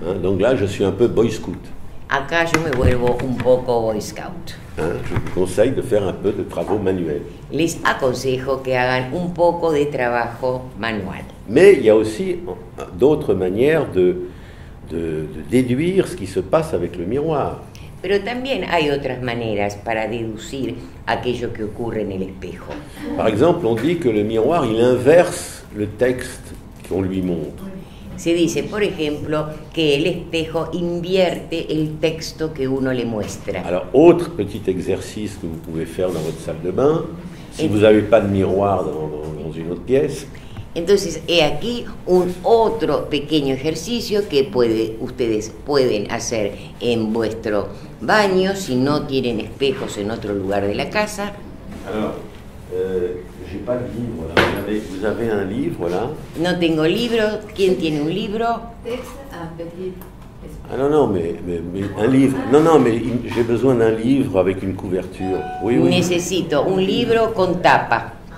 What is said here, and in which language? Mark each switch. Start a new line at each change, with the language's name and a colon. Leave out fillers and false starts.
French: Donc là, je suis un peu Boy Scout.
Spanish: Acá yo me vuelvo un poco Boy Scout.
French: Hein, je vous conseille de faire un peu de travaux manuels.
Spanish: Les aconsejo que hagan un poco de trabajo manual.
French: Mais il y a aussi d'autres manières de déduire ce qui se passe avec le miroir.
Spanish: Pero también hay otras maneras para deducir aquello que ocurre en el espejo.
French: Par exemple, on dit que le miroir, il inverse le texte qu'on lui montre.
Spanish: Se dice, por ejemplo, que el espejo invierte el texto que uno le muestra.
French: Alors, autre petit exercice que vous pouvez faire dans votre salle de bain, si vous n'avez pas de miroir dans une autre pièce.
Spanish: Entonces, he aquí un otro pequeño ejercicio que ustedes pueden hacer en vuestro baño si no tienen espejos en otro lugar de la casa.
French: J'ai pas de livre là. Vous avez un livre là?
Spanish: No tengo libro. ¿Quién tiene un libro?
French: Ah non, mais un livre. Non, mais j'ai besoin d'un livre avec une couverture. Oui, oui.
Spanish: Necesito un libro con tapa.